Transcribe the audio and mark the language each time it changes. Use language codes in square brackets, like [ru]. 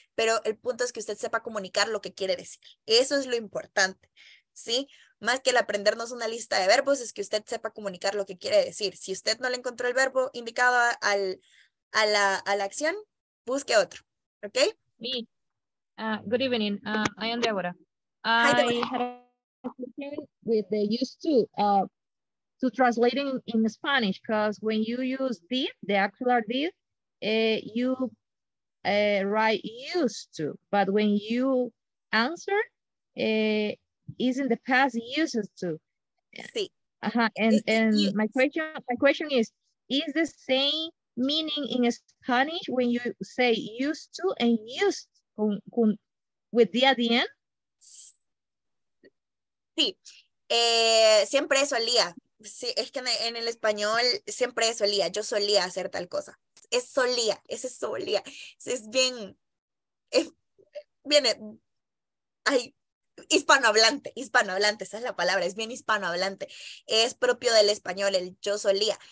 [es] Pero el punto es que usted sepa comunicar lo que quiere decir. Eso es lo importante, ¿sí? Más que el aprendernos una lista de verbos, es que usted sepa comunicar lo que quiere decir. Si usted no le encontró el verbo indicado a la acción, busque otro. ¿Ok? [en] Me. Good evening. I am Deborah. Hi, Deborah. I have a with the used to translating in Spanish, because when you use did, the actual did, you write used to. But when you answer, is in the past uses to. [es] Sí. [en] And my question is the same meaning in Spanish when you say used to and used con with the at the end? [es] Sí. Siempre solía. Sí, es que en el español siempre solía. Yo solía hacer tal cosa. Es solía. Ese es solía. Es bien. Viene. Ay. Hispanohablante, esa es la palabra, es bien hispanohablante, es propio del español, el yo solía.